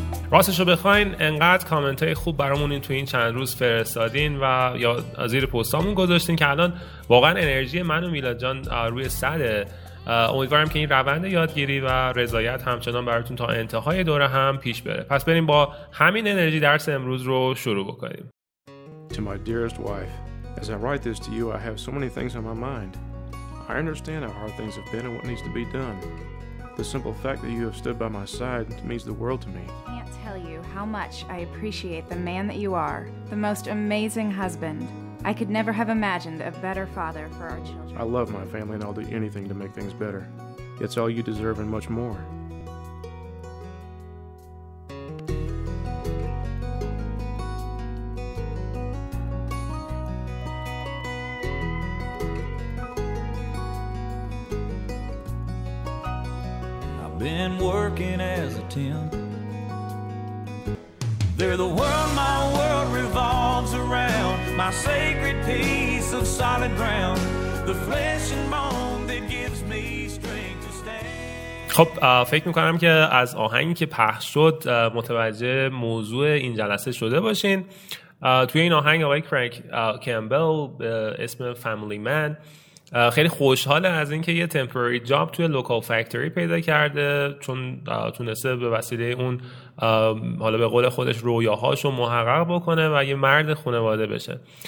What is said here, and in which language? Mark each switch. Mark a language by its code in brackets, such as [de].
[fa] راستشو بخواین انقدر کامنت های خوب برامون این تو این چند روز فرستادین و یا زیر پستامون گذاشتین که الان واقعا انرژی من و میلاد جان روی صده. امیدوارم که این روند یادگیری و رضایت همچنان براتون تا انتهای دوره هم پیش بره. پس بریم با همین انرژی درس امروز رو شروع بکنیم. [en] To my dearest wife, as I write this to you, I have so many things on my mind. I understand how hard things have been and what needs to be done. The simple fact that you have stood by my side means the world to me. I can't tell you how much I appreciate the man that you are, the most amazing husband. I could never have imagined a better father for our children. I love my family and I'll do anything to make things better. It's all you deserve and much more. Been working as a temp. They're the world my world revolves around. My sacred piece of solid ground. The flesh and bone that gives me strength to stand. [fa] خب فکر میکنم که از آهنگی که پخش شد متوجه موضوع این جلسه شده باشین. توی این آهنگ آقای فرانک کمبل به اسم فامیلی من خیلی خوشحاله از اینکه یه [en] temporary job [fa] توی [en] local factory [fa] پیدا کرده، چون تونسته به وسیله اون حالا به قول خودش رویاهاشو محقق بکنه و یه مرد خانواده بشه.